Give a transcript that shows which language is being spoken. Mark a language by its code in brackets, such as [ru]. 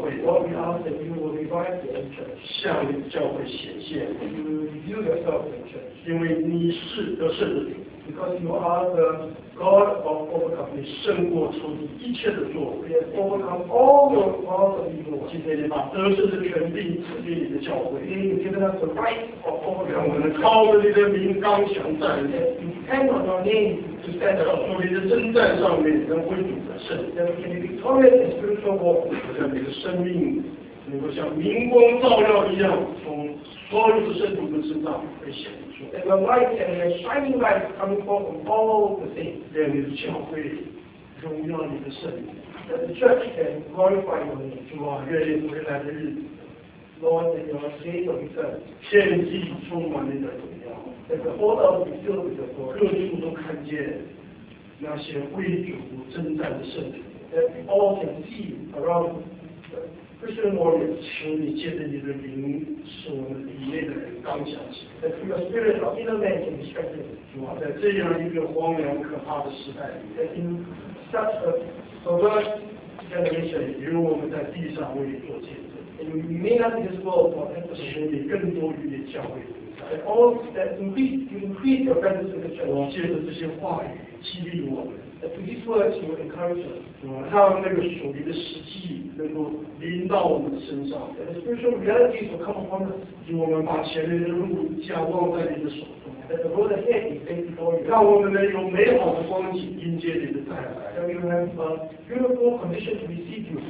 [en] What we ask is that you will revive your own church. You will reveal yourself in the church. Because you are the God of all. Because you are the God of overcoming. [zh] 胜过仇敌一切的作为。 [en] You have overcome all the powers of evil. [zh] 今天你把得胜的权柄赐给你的教会。 [en] You have given us the right of overcoming. [zh] 我们靠着你的名刚强站立。 [en] You depend on your name to stand up. [zh] 在你的征战上面能为主得胜。 [en] That we can be victorious in spiritual war. [zh] 让你的生命能够像明光照耀一样，从所有的圣徒们身上被显出。 [en] And the light and the shining light coming forth from all the things. Then the church will honor your name. That the church can glorify your name. [zh] 主啊，愿你回来的日子 [en] ，Lord, in your days of return, [zh] 天地充满你的荣耀。 [en] That the whole earth be filled with your glory. [zh] 各处都看见那些为主征战的圣徒。 [en] That we all can see around the Christian warriors. [zh] 请你借着你的灵，使我们里面的人刚强起来。 [en] That through your spirit, our inner man can be strengthened. [zh] 主啊，在这样一个荒凉可怕的时代里 [en] ，That in such a perverse generation, [zh] 与我们在地上为你做见证。 [en] And you made us in this world for emphasis. [zh] 请你更多与你教会同在。 [en] That all that increase your presence in the church. [zh] 我借着这些话语激励我们。 [en] That through these words, you will encourage us. [zh] 主啊，让那个属灵的实际能够临到我们的身上。 [en] That the spiritual realities will come upon us. [zh] 让我们把前面的路架望在你的手中。 [en] That the road ahead is in your hands. [zh] 让我们能有美好的光景迎接你的再来。 [en] That we have a beautiful condition to receive you.